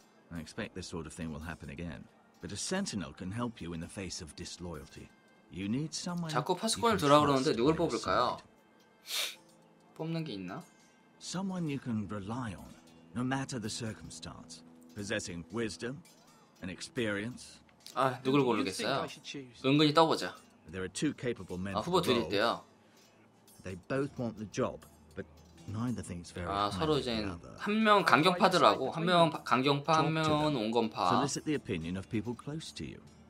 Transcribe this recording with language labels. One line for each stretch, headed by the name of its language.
English: I expect this sort of thing will happen again, but a sentinel can help you in the face of disloyalty. You need someone.
Korean: 자꾸 파수꾼을 두라 그러는데 누굴 뽑을까요? 뽑는 게 있나?
English: Someone you can rely on. No matter the circumstance, possessing wisdom and experience.
Korean: 아, 누굴 고르겠어요? 은근히 떠보자.
English: There are two capable men.
Korean: 아, 후보 둘이 있대요.
English: They both want the job, but neither thinks very.
Korean: 아, 서로 이제 한 명 강경파더라고. 한 명 강경파, 한 명 온건파.
English: Solicit the opinion of people close to you.